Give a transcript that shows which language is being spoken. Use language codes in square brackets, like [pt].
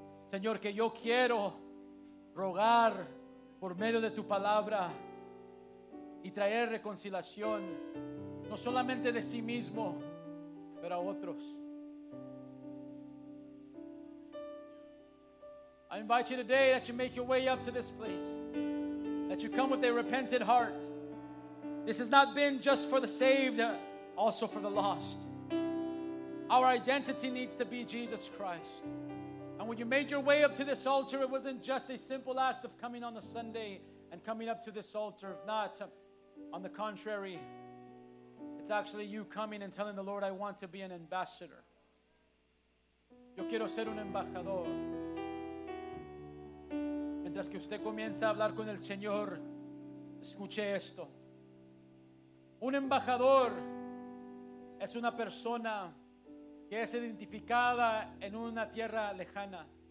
[es] Señor, que yo quiero rogar por medio de tu palabra y traer reconciliación, no solamente de sí mismo, pero a otros. [en] I invite you today that you make your way up to this place, that you come with a repentant heart. This has not been just for the saved, also for the lost. Our identity needs to be Jesus Christ. And when you made your way up to this altar, it wasn't just a simple act of coming on a Sunday and coming up to this altar. Not on the contrary, it's actually you coming and telling the Lord, I want to be an ambassador. [es] Yo quiero ser un embajador. Mientras que usted comienza a hablar con el Señor, escuche esto. Un embajador es una persona que es identificada en una tierra lejana.